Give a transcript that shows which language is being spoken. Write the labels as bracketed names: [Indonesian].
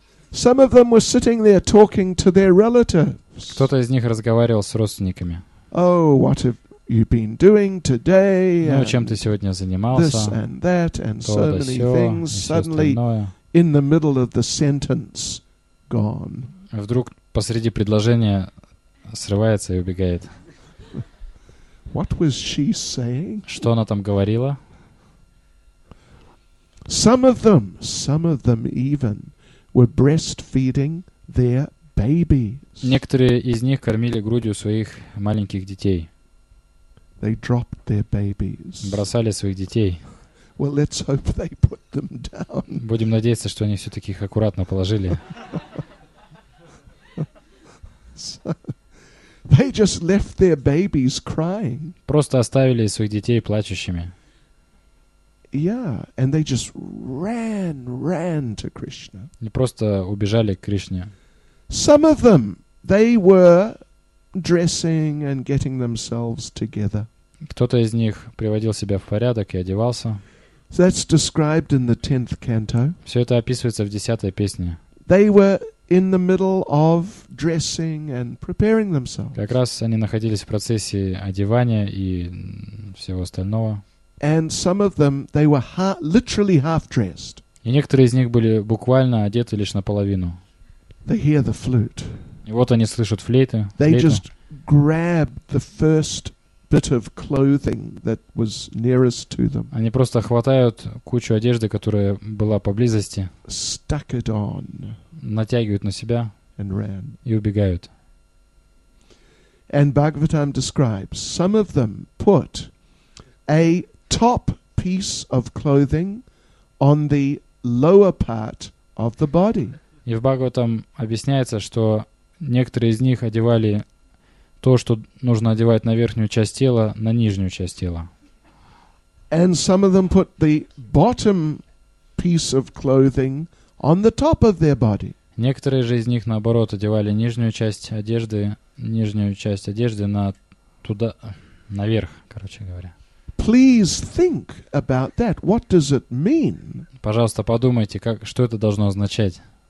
[English] Some of them were sitting there talking to their relatives. [Russian] Кто-то из них разговаривал с родственниками. [English] Oh, what have you been doing today? [Russian] Ну, чем ты сегодня занимался? [English] This and that and so many things. Suddenly, in the middle of the sentence, gone. [Russian] Вдруг посреди предложения срывается и убегает. [English] What was she saying? [Russian] Что она там говорила? [English] Some of them even were breastfeeding their babies. [Russian] Некоторые из них кормили грудью своих маленьких детей. [English] They dropped their babies. [Russian] Бросали своих детей. [English] Well, let's hope they put them down. [Russian] Будем надеяться, что они все-таки их аккуратно положили. [English] They just left their babies crying. [Russian] Просто оставили своих детей плачущими. [English] Yeah, and they just ran to Krishna. [Russian] Не просто убежали к Кришне. [English] Some of them, they were dressing and getting themselves together. [Russian] Кто-то из них приводил себя в порядок и одевался. [English] So that's described in the 10th canto. [Russian] Все это описывается в 10-й песне. [English] They were in the middle of dressing and preparing themselves. [Russian] Как раз они находились в процессе одевания и всего остального. [English] And some of them, they were literally half-dressed. [Russian] И некоторые из них были буквально одеты лишь наполовину. [English] They hear the flute. [Russian] И вот они слышат флейты. [English] They just grab the first bit of clothing that was nearest to them. [Russian] Они просто хватают кучу одежды, которая была поблизости. [English] Stuck it on. [Russian] Натягивают на себя [English] and ran. [Russian] И убегают. [English] And Bhagavatam describes some of them put a top piece of clothing on the lower part of the body. [Russian] И в Бхагаватам объясняется, что некоторые из них одевали то, что нужно одевать на верхнюю часть тела, на нижнюю часть тела. [English] And some of them put the bottom piece of clothing on the top of their body. [Russian] Некоторые же из них, наоборот, одевали нижнюю часть одежды наверх, короче говоря. [English] Please think about that. What does it mean? [Russian] Пожалуйста, подумайте, что это должно означать.